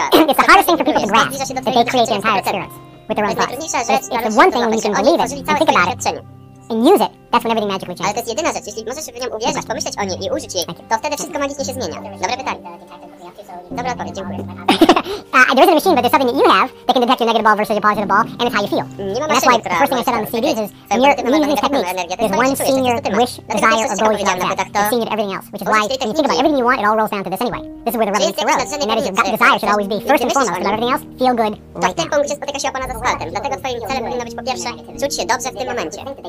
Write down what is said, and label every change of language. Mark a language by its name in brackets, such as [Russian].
[English] It's the hardest thing for people to grasp, that they create their entire experience with their own thoughts. But it's the one thing when you can believe it and think about it and use it, that's when everything magically changes. [Polish] Ale to jest jedyna rzecz, jeśli możesz w nią uwierzyć, pomyśleć o niej i użyć jej, to wtedy wszystko magicznie się zmienia. Dobre pytanie. Dobra odpowiedź, dziękuję. [English] There isn't a machine, but there's something that you have that can detect your negative ball versus your positive ball, and it's how you feel. And that's why the first thing I said on the CDs is, when you're using these techniques, there's one senior wish, desire, or goal you have left. It's senior to everything else, which is why, when you think about everything you want, it all rolls down to this anyway. This is where the rubber meets the road, and that is your gut desire should always be first and foremost, about everything else, feel good right now. [Polish] To w tym punkcie spotyka się opona z asfaltem, dlatego twoim celem powinno być, po pierwsze, czuć się dobrze w tym momencie.